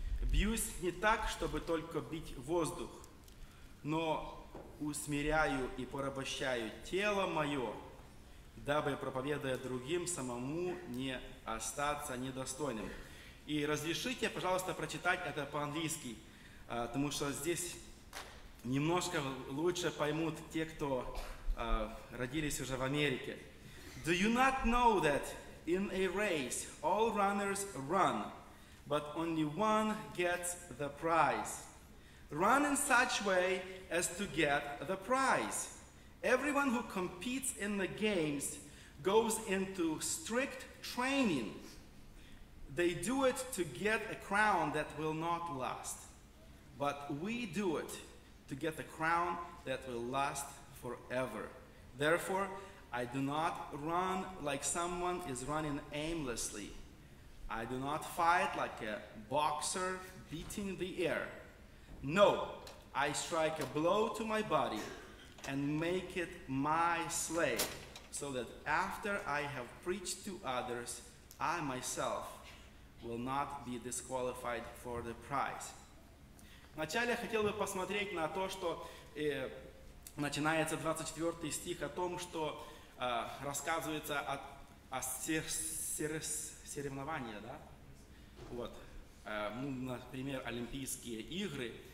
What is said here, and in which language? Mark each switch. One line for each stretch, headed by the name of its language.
Russian: Бьюсь не так, чтобы только бить воздух, но усмиряю и порабощаю тело мое, дабы, проповедуя другим, самому не остаться недостойным». И разрешите, пожалуйста, прочитать это по-английски, потому что здесь немножко лучше поймут те, кто родились уже в Америке.
English: «Do you not know that in a race all runners run, but only one gets the prize? Run in such way as to get the prize. Everyone who competes in the games goes into strict training. They do it to get a crown that will not last. But we do it to get a crown that will last forever. Therefore, I do not run like someone is running aimlessly. I do not fight like a boxer beating the air. No, I strike a blow to my body and make it my slave, so that after I have preached to others, I myself will not be disqualified for the prize».
Russian: Вначале я хотел бы посмотреть на то, что начинается 24 стих о том, что рассказывается о соревнованиях, да? Вот, например, Олимпийские игры.